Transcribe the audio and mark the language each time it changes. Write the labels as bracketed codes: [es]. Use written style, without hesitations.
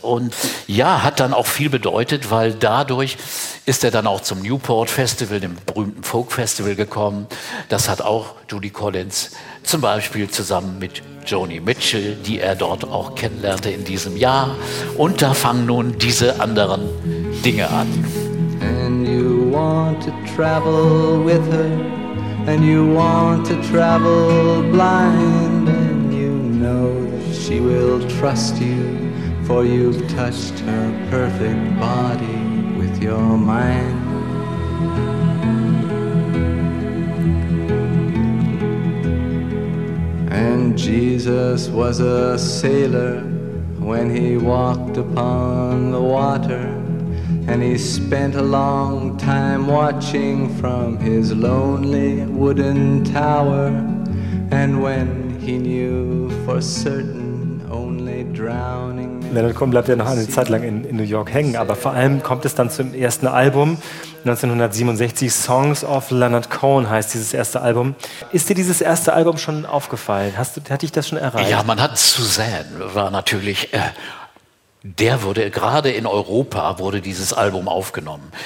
[de] Und ja, hat dann auch viel bedeutet, weil dadurch ist er dann auch zum Newport Festival, dem berühmten Folk Festival gekommen. Das hat auch Judy Collins zum Beispiel zusammen mit Joni Mitchell, die er dort auch kennenlernte in diesem Jahr. Und da fangen nun diese anderen Dinge an. [en] Want to travel with her, and you want to travel blind, and you know that she will trust you, for you've touched her perfect body with your mind. And Jesus was a sailor when he walked upon the water. And he spent a long time watching from his lonely wooden tower. And when he knew for certain only drowning... [de] Leonard Cohen bleibt ja noch eine Zeit lang in New York hängen, aber vor allem kommt es dann zum ersten Album. 1967, Songs of Leonard Cohen heißt dieses erste Album. Ist dir dieses erste Album schon aufgefallen? Hat dich das schon erreicht? Ja, man hat Suzanne, war natürlich... Der wurde, gerade in Europa wurde dieses Album aufgenommen.